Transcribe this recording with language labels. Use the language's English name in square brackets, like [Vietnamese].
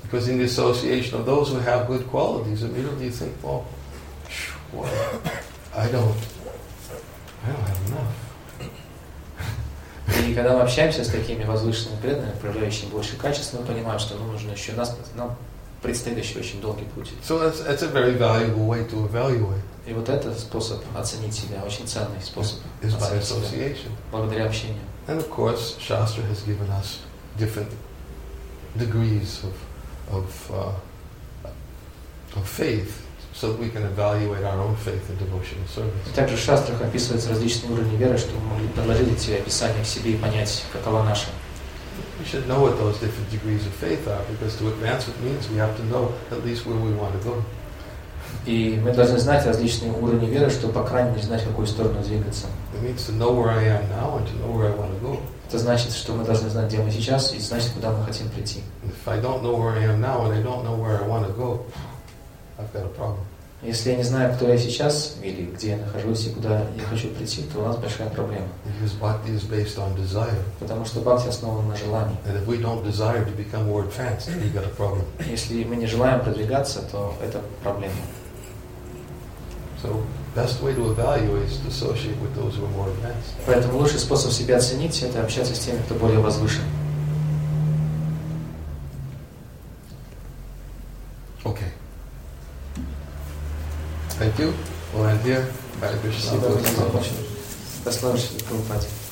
[English] Because in the association of those who have good qualities, immediately you think, "Well, shoo, boy, I don't have enough." [Russian] И когда мы общаемся с такими возвышенными преданными, проявляющими больше качеств, мы понимаем, что нам нужно еще нам предстоит еще очень долгий путь. [English] So that's a very valuable way to evaluate. [Russian] И вот этот способ оценить себя, очень ценный способ. [English] Is by association. [Russian] Благодаря общению. [English] And of course, Shastra has given us different degrees of faith, so that we can evaluate our own faith and devotional service. [Russian] И также в шастрах описываются различные уровни веры, чтобы мы могли предложить эти описания к себе и понять, какова наша. [English] We should know what those different degrees of faith are, because to advance it means we have to know at least where we want to go. [Russian] И мы должны знать различные уровни веры, чтобы по крайней мере знать, в какую сторону двигаться. [English] It means to know where I am now and to know where I want to go. [Russian] Это значит, что мы должны знать, где мы сейчас, и знать, куда мы хотим прийти. [English] If I don't know where I am now and I don't know where I want to go, I've got a problem. [Russian] Если я не знаю, кто я сейчас или где я нахожусь и куда я хочу прийти, то у нас большая проблема. [English] Because bhakti is based on desire. [Russian] Потому что бхакти основан на желании. [English] And if we don't desire to become more advanced, we've got a problem. [Russian] Если мы не желаем продвигаться, то это проблема. [English] So best way to evaluate is to associate with those who are more advanced. [Russian] Поэтому лучший способ себя оценить — это общаться с теми, кто более возвышен. [English] Okay. Thank you. Well, and here, Hare Krishna. [Russian] Спасибо за помощь. Послушайте, Прабхупада.